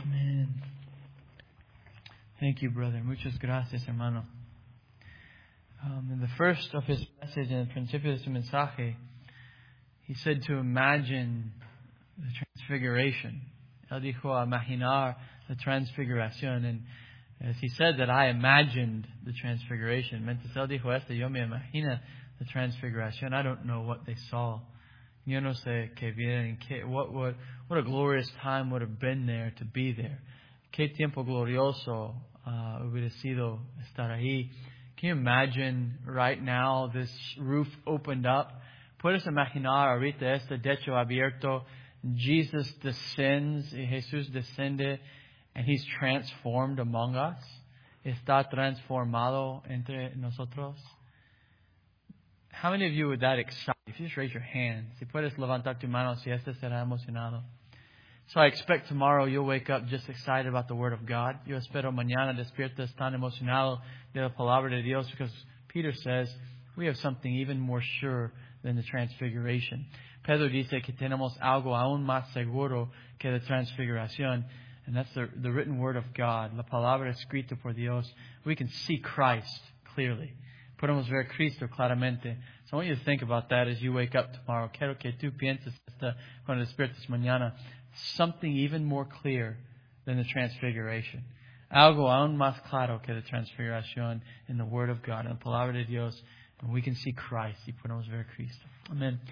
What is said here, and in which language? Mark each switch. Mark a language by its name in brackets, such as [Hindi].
[English] Amén. Thank you, brother. [Spanish] Muchas gracias, hermano. [English] In the first of his message, in the [Spanish] principio de su mensaje, [English] he said to imagine the transfiguration. [Spanish] Él dijo, imaginar la transfiguración. [English] And as he said that, I imagined the transfiguration. [Spanish] Mientras él dijo esto, yo me imagino [English] the transfiguration. I don't know what they saw. [Spanish] Yo no sé qué vieron. [English] What a glorious time would have been there to be there. [Spanish] Qué tiempo glorioso hubiera sido estar ahí. [English] Can you imagine right now this roof opened up? [Spanish] Puedes imaginar ahorita este techo abierto. [English] Jesus descends, [Spanish] Jesús descende, [English] and he's transformed among us. [Spanish] Está transformado entre nosotros. [English] How many of you would that excite? If you just raise your hand, [Spanish] si puedes levantar tu mano, si este será emocionado. [English] So I expect tomorrow you'll wake up just excited about the Word of God. [Spanish] Yo espero mañana despiertas tan emocionado de la Palabra de Dios, [English] because Peter says we have something even more sure than the transfiguration. [Spanish] Pedro dice que tenemos algo aún más seguro que la transfiguración, [English] and that's the written Word of God, [Spanish] la Palabra escrita por Dios. We can see Christ clearly. Podemos ver Cristo claramente. [English] So I want you to think about that as you wake up tomorrow. [Spanish] Quiero que tú pienses esto cuando despiertes mañana. [English] Something even more clear than the transfiguration. [Spanish] Algo aún más claro que la transfiguración [English] in the Word of God, in the [Spanish] Palabra de Dios. [English] And we can see Christ. [Spanish] Y podemos ver Cristo. Amen.